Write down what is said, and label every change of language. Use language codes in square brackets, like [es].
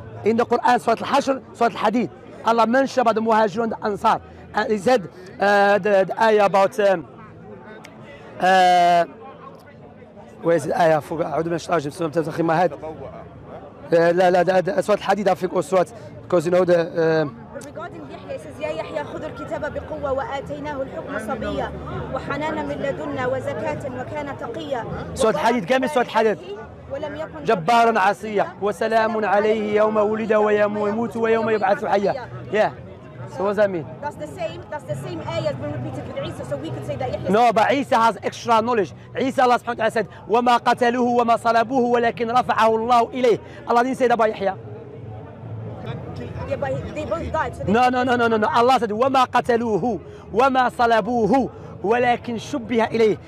[en] In the Quran, Surah Al-Hashr, Surah Al-Hadid. Allah mentioned about the Muhajir and the Ansar. And he said the ayah about... where is the ayah? I forgot. I don't know what I'm in my head. Surah Al-Hadid, I think, or Surah... Because, you know, the... Regarding Yahya, it says, Ya Yahya, [ar] خذ الكتاب بقوة وآتيناه الحكم صبية وحنانا من لدنا وزكاة وكان تقية. سورة الحديد كم سورة الحديد؟ ولم يكن جبارا عصيا وسلام عليه يوم ولد ويموت ويوم يبعث حيا. [en] Yeah. So what does that mean? That's the same ayah has been repeated with Isa, so we could say that Yahya. No, but Isa has extra knowledge. Isa, Allah subhanahu wa ta'ala said, [ar] وما قتلوه وما صلبوه ولكن رفعه الله إليه. [en] Allah didn't say that about Yahya. Yeah, but they both died. So No. Allah said, [ar] وَمَا قَتَلُوهُ وَمَا صَلَبُوهُ وَلَكِنْ شُبِّهَ إِلَيْهِ.